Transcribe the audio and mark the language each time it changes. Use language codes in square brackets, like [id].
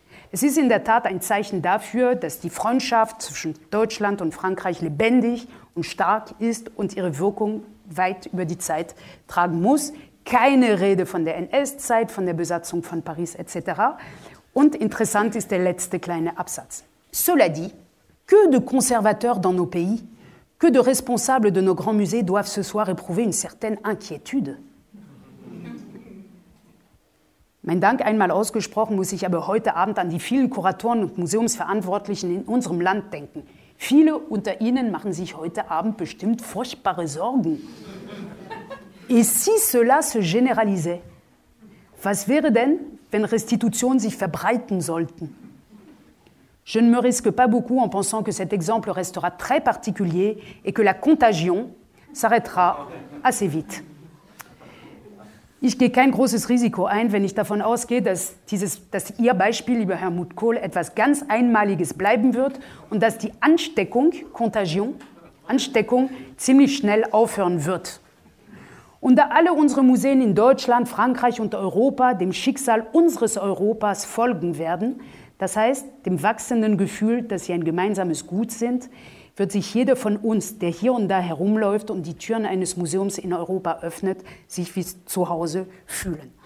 [de] Es ist in der Tat ein Zeichen dafür, dass die Freundschaft zwischen Deutschland und Frankreich lebendig und stark ist und ihre Wirkung weit über die Zeit tragen muss. Keine Rede von der NS-Zeit, von der Besatzung von Paris etc. Und interessant ist der letzte kleine Absatz. [fr] Cela dit, que de conservateurs dans nos pays, que de responsables de nos grands musées doivent ce soir éprouver une certaine inquiétude. [de] Mein Dank einmal ausgesprochen, muss ich aber heute Abend an die vielen Kuratoren und Museumsverantwortlichen in unserem Land denken. Viele unter Ihnen machen sich heute Abend bestimmt furchtbare Sorgen. [fr] Et si cela se généralisait? [de] Was wäre denn, wenn Restitutionen sich verbreiten sollten? [fr] Je ne me risque pas beaucoup en pensant que cet exemple restera très particulier et que la contagion s'arrêtera assez vite. [de] Ich gehe kein großes Risiko ein, wenn ich davon ausgehe, dass Ihr Beispiel, lieber Helmut Kohl, etwas ganz Einmaliges bleiben wird und dass die Ansteckung, Contagion, Ansteckung, ziemlich schnell aufhören wird. Und da alle unsere Museen in Deutschland, Frankreich und Europa dem Schicksal unseres Europas folgen werden, das heißt dem wachsenden Gefühl, dass sie ein gemeinsames Gut sind, wird sich jeder von uns, der hier und da herumläuft und die Türen eines Museums in Europa öffnet, sich wie zu Hause fühlen.